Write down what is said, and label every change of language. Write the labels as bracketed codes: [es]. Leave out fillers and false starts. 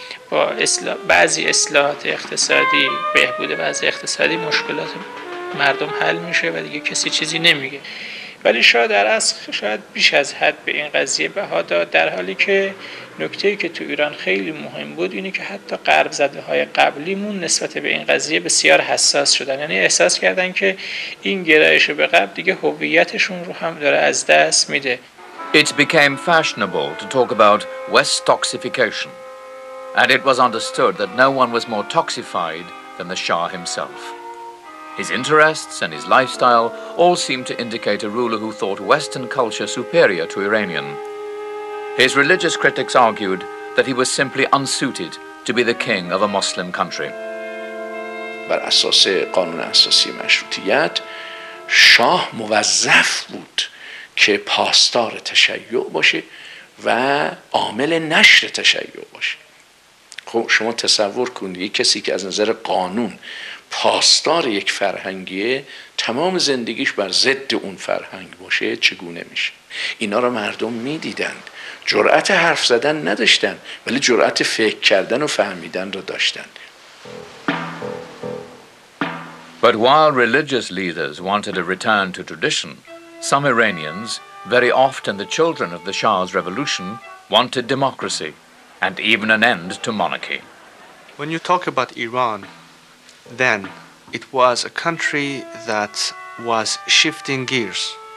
[fa] با بعضی اصلاحات اقتصادی بهبود وضع اقتصادی مشکلات مردم حل میشه و دیگه کسی چیزی نمیگه ولی شاید در اصل شاید بیش از حد به این قضیه بها داد در حالی که نکته‌ای که تو ایران خیلی مهم بود اینه که حتی غرب زده‌های قبلیمون نسبت به این قضیه بسیار حساس شدن یعنی احساس کردن که این گرایش به غرب دیگه هویتشون رو هم داره از دست میده [en] It became fashionable to talk about West toxification And it was understood that no one was more toxified than the Shah himself. His interests and his lifestyle all seemed to indicate a ruler who thought Western culture superior to Iranian. His religious critics argued that he was simply unsuited to be the king of a Muslim country. [fa] بر اساس قانون اساسی مشروطیت شاه موظف بود که پاسدار تشیع باشه و عامل نشر تشیع باشه. خب شما تصور کنید یک کسی که از نظر قانون پاسدار یک فرهنگیه تمام زندگیش بر ضد اون فرهنگ باشه چگونه میشه اینا رو مردم میدیدند جرأت حرف زدن نداشتن ولی جرأت فکر کردن و فهمیدن رو داشتن [en] But while religious leaders wanted a return to tradition some Iranians very often the children of the Shah's revolution wanted democracy and even an end to monarchy. When you talk about Iran, then it was a country that was shifting gears.